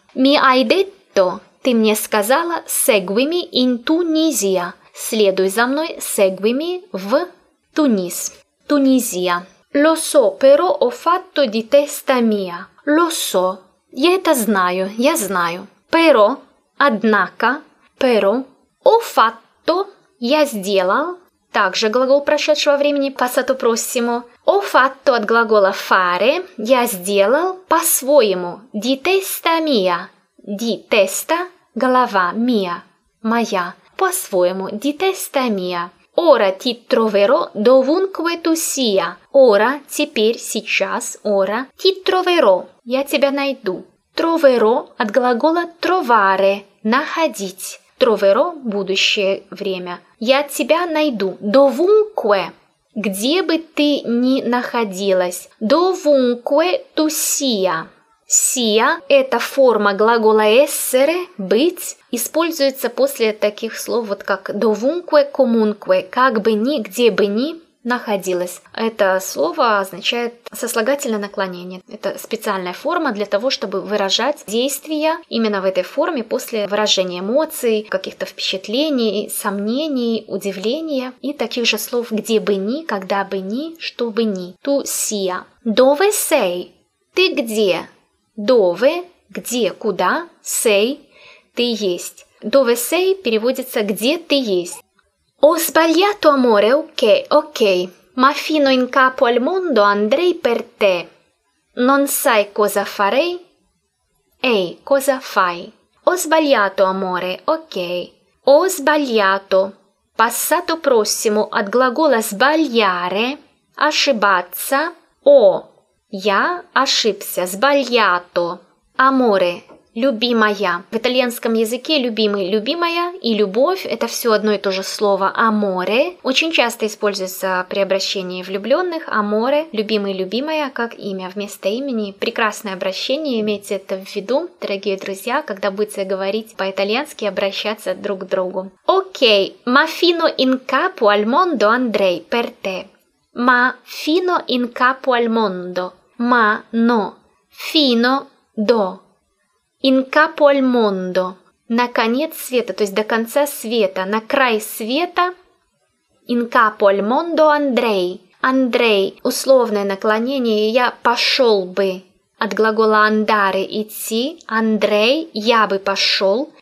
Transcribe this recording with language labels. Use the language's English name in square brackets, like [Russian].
[Italian] Mi hai detto... [Russian] Ты мне сказала [Italian] «seguimi in Tunisia». [Ukrainian] Слідуй за мною, [Italian] seguimi [Ukrainian] в Туніс. Тунізія. [Italian] Lo so, però ho fatto di testa mia. Lo so. [Ukrainian] Я це знаю, я знаю. [Italian] Però, [Russian] однако, [Italian] però, ho fatto, [Russian] я сделал. Также глагол прошедшего времени, passato prossimo. [Italian] Ho fatto [Russian] от глагола fare, я сделал по-своему. [Italian] Di testa mia. Di testa, [Russian] голова, [Italian] mia, [Russian] моя. По-своему, [Italian] di testa mia. Ora ti troverò dovunque tu sia. Ora, [Russian] теперь, сейчас, [Italian] ora, ti troverò, [Russian] я тебя найду. Troverò от глагола trovare, находить. [Italian] Troverò, [Russian] будущее время. Я тебя найду. [Italian] Dovunque, [Russian] где бы ты ни находилась. [Italian] Dovunque tu sia. [Russian] Sia – это форма глагола essere, быть. Используется после таких слов, вот как dovunque, comunque. Как бы ни, где бы ни находилась. Это слово означает сослагательное наклонение. Это специальная форма для того, чтобы выражать действия именно в этой форме после выражения эмоций, каких-то впечатлений, сомнений, удивления и таких же слов «где бы ни», «когда бы ни», «что бы ни». [Italian] Tu sia. Dove sei? [Russian] Ты где? [Italian] Dove [Russian] – где, куда? [Italian] Sei [Russian] – ты есть. [Italian] Dove sei [Russian] переводится «где ты есть». [Italian] Ho sbagliato amore, ok, ok, ma fino in capo al mondo andrei per te. Non sai cosa farei? Ehi, cosa fai? Ho sbagliato amore, ok. Ho sbagliato. [Russian] Passato prossimo от глагола sbagliare, ошибаться, o. Я ошибся, sbagliato. Amore. Любимая. В итальянском языке любимый, любимая и любовь – это все одно и то же слово «amore». Очень часто используется при обращении влюбленных «amore», любимый, любимая, как имя вместо имени. Прекрасное обращение, имейте это в виду, дорогие друзья, когда будете говорить по-итальянски, обращаться друг к другу. [Italian] Окей, ma fino in capo al mondo, Andrei, per te. Ma fino in capo al mondo. Ma, no, fino, до. In capo al mondo, [Russian] на конец света, то есть до конца света, на край света. [Italian] In capo al mondo, Andrei. [Russian] Andrei, условное наклонение, я пошел бы. От глагола andare, идти. Andrei, я бы пошел.